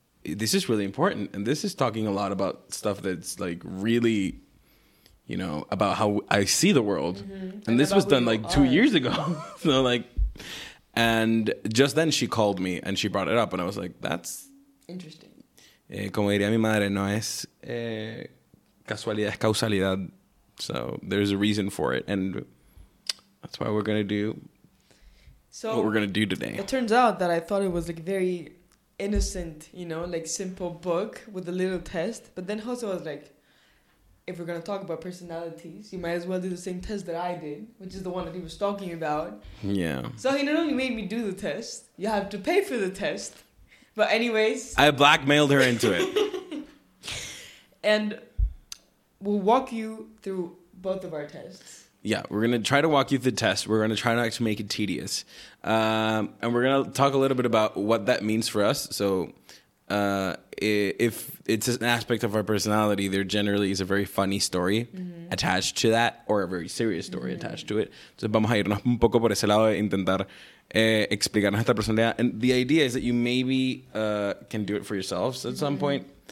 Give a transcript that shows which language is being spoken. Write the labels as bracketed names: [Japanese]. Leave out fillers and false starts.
[English] This is really important. And this is talking a lot about stuff that's like really, you know, about how I see the world. Mm-hmm. And this was done like 2 years ago. So like, and just then she called me and she brought it up. And I was like, that's interesting. [Spanish] Como diría mi madre, no es casualidad, es causalidad. [English] So there's a reason for it. And that's why we're going to do what we're going to do today. It turns out that I thought it was like very... innocent, you know, like simple book with a little test. But then Jose was like, if we're gonna talk about personalities, you might as well do the same test that I did, which is the one that he was talking about. Yeah. So he not only made me do the test, you have to pay for the test. But anyways, I blackmailed her into it. And we'll walk you through both of our tests. Yeah, we're going to try to walk you through the test. We're going to try not to make it tedious. And we're going to talk a little bit about what that means for us. So if it's an aspect of our personality, there generally is a very funny story attached to that, or a very serious story attached to it. [Spanish] So vamos a irnos un poco por ese lado e intentar explicar nuestra personalidad. [English] And the idea is that you maybe can do it for yourselves at some point.